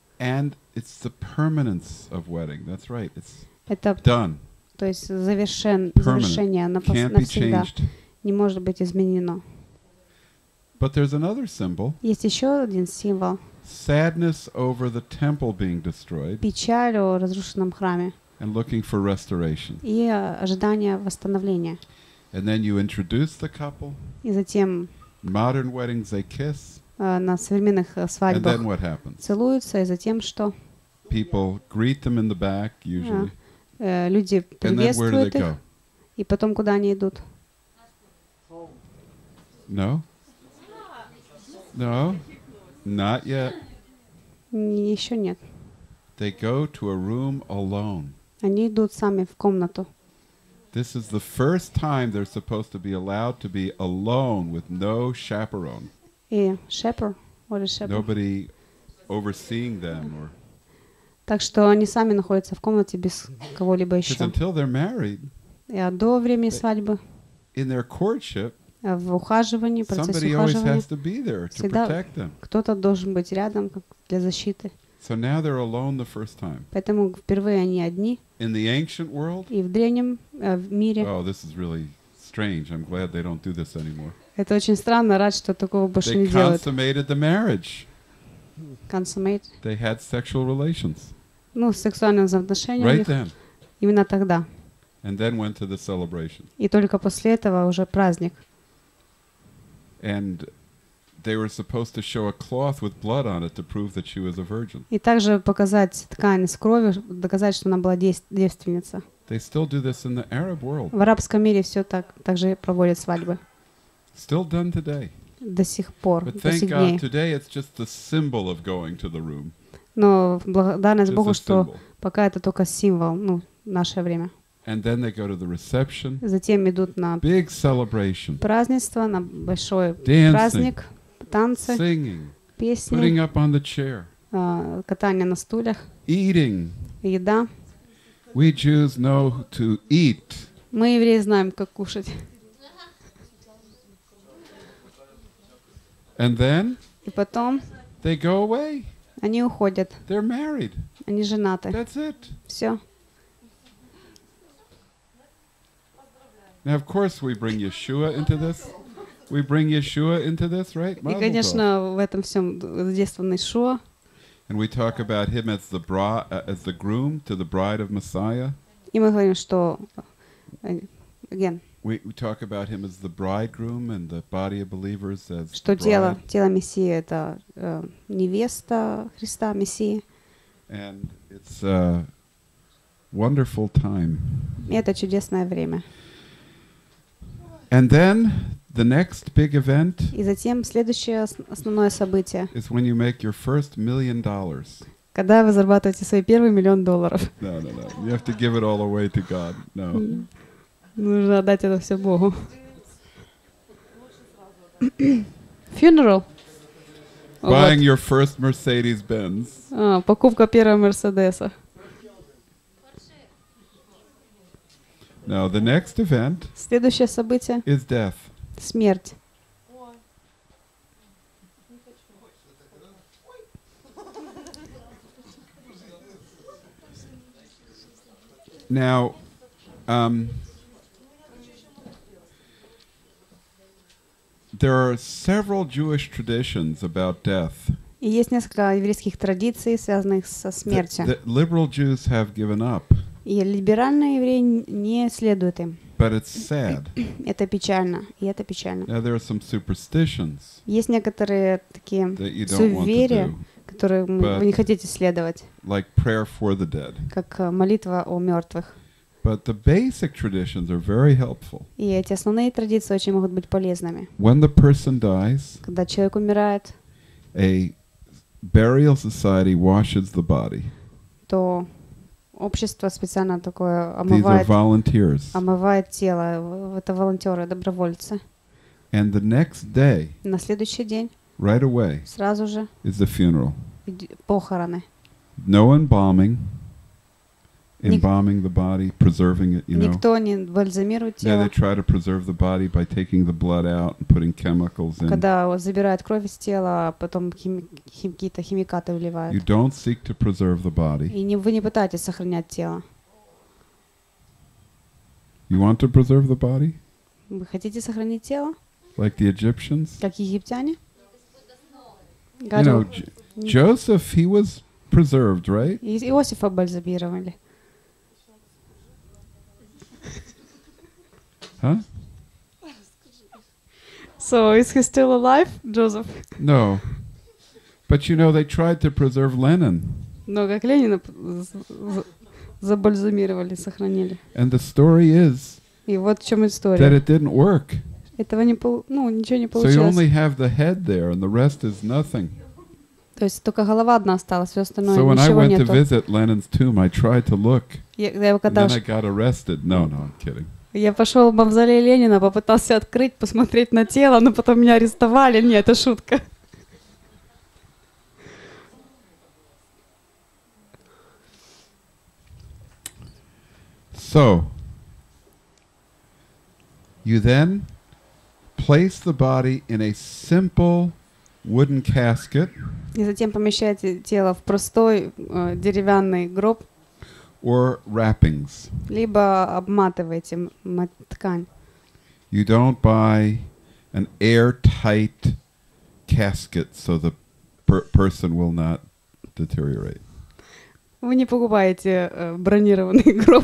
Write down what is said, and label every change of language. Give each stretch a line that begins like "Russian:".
English: And it's the permanence of wedding. That's right. It's
Russian: Это
English: done.
Russian: То есть завершение навсегда не может быть изменено.
English: But there's another symbol.
Russian: Есть еще один символ.
English: Sadness over the temple being destroyed.
Russian: Печаль о разрушенном храме.
English: And looking for restoration.
Russian: И ожидание восстановления.
English: And then you introduce the couple.
Russian: И затем.
English: Modern weddings they kiss.
Russian: На современных свадьбах.
English: And then what happens?
Russian: Целуются, и затем что?
English: People greet them in the back usually.
Russian: Люди приветствуют их, и потом куда они идут?
English: No? No? Not yet.
Russian: Еще нет.
English: They go to a room alone.
Russian: Они идут сами в комнату.
English: This is the first time they're supposed to be allowed to be alone with no chaperone. Nobody overseeing them or.
Russian: Так что они сами находятся в комнате без кого-либо еще.
English: Married,
Russian: и до времени свадьбы, в ухаживании, в процессе ухаживания, всегда кто-то должен быть рядом как для защиты.
English: So now they're alone the first time.
Russian: Поэтому впервые они одни.
English: In the ancient world,
Russian: и в древнем мире.
English: Oh, this is really strange. I'm glad they don't do this anymore.
Russian: Это очень странно. Рад, что такого больше не делают.
English: They consummated the marriage. Consummate. They had sexual relations.
Russian: Ну, сексуальные взаимоотношения.
English: Right then.
Russian: Именно тогда.
English: And then went to the celebration.
Russian: И только после этого уже праздник.
English: And they were supposed to show a cloth with blood on it to prove that she was a virgin.
Russian: И также показать ткань с кровью, доказать, что она была девственница.
English: They still do this in the Arab world.
Russian: В арабском мире все так также проводят свадьбы.
English: Still done today.
Russian: До сих пор,
English: But thank
Russian: до сих дней.
English: God, today it's just the symbol of going to the room.
Russian: Но благодарность Богу, что пока это только символ, ну, наше время.
English: And then they go to the reception.
Russian: Затем идут на
English: big celebration.
Russian: Празднество, на большой
English: Dancing,
Russian: праздник, танцы,
English: singing,
Russian: песни,
English: putting up on the chair.
Russian: катание на стульях.
English: Eating.
Russian: Еда.
English: We Jews know to eat.
Russian: Мы, евреи, знаем, как кушать.
English: And then?
Russian: И потом?
English: They go away.
Russian: Они уходят.
English: They're married.
Russian: Они женаты.
English: That's it.
Russian: Все.
English: Now, of course, we bring Yeshua into this. We bring Yeshua into this, right?
Russian: И, конечно, в этом всем задействован Ишуа.
English: And we talk about him as the as the groom to the bride of Messiah.
Russian: И мы говорим, что
English: again. We talk about him as the bridegroom and the body of believers as.
Russian: Что тело, тело Мессии — это невеста Христа, Мессии.
English: And it's a wonderful time.
Russian: И это чудесное время.
English: And then the next big event.
Russian: И затем следующее основное событие.
English: Is when you make your first $1,000,000.
Russian: Когда вы зарабатываете свой первый миллион долларов.
English: No. You have to give it all away to God. No.
Russian: Нужно отдать это все Богу.
English: Funeral. Buying your first Mercedes-Benz.
Russian: Покупка первого Мерседеса.
English: Now the next event.
Russian: Следующее событие.
English: Is death.
Russian: Смерть.
English: Now, there are several Jewish traditions about death.
Russian: И есть несколько еврейских традиций, связанных со смертью.
English: The liberal Jews have given up.
Russian: И либеральные евреи не следуют им.
English: But it's sad.
Russian: Это печально, и это печально.
English: Now there are some superstitions.
Russian: Есть некоторые такие суеверия, которые вы не хотите следовать.
English: Like prayer for the dead.
Russian: Как молитва о мертвых.
English: But the basic traditions are very helpful.
Russian: И эти основные традиции очень могут быть полезными.
English: When the person dies,
Russian: когда человек умирает,
English: a burial society washes the body.
Russian: То общество специально такое омывает тело. Это волонтеры, добровольцы.
English: And the next day,
Russian: на следующий день,
English: right away,
Russian: сразу же,
English: is the funeral.
Russian: Похороны.
English: No embalming. Embalming the body, preserving it, you know.
Russian: Никто не бальзамирует тело.
English: Now they try to preserve the body by taking the blood out and putting chemicals in.
Russian: Когда забирают кровь из тела, потом какие-то химикаты вливают.
English: You don't seek to preserve the body.
Russian: И вы не пытаетесь сохранять тело.
English: You want to preserve the body?
Russian: Вы хотите сохранить тело?
English: Like the Egyptians?
Russian: Как египтяне?
English: You know, Joseph, he was preserved, right?
Russian: Иосифа бальзамировали. Huh?
English: So is he still alive, Joseph? No. But you know they tried to preserve Lenin.
Russian: Но как Ленина забальзамировали, сохранили.
English: And the story is.
Russian: И вот в чем история.
English: That it didn't work.
Russian: Этого не ничего не получилось.
English: So you only have the head there, and the rest is nothing.
Russian: То есть только голова одна осталась, все остальное ничего нету.
English: So when I went
Russian: нету.
English: To visit Lenin's tomb, I tried to look. And then I got arrested. No, I'm kidding.
Russian: Я пошел в мавзолей Ленина, попытался открыть, посмотреть на тело, но потом меня арестовали. Нет, это шутка.
English: So, you then place the body in a simple wooden casket.
Russian: И затем помещаете тело в простой деревянный гроб.
English: Or wrappings.
Russian: Либо обматываете ткань.
English: You don't buy an airtight casket so the person will not deteriorate.
Russian: Вы не покупаете бронированный гроб.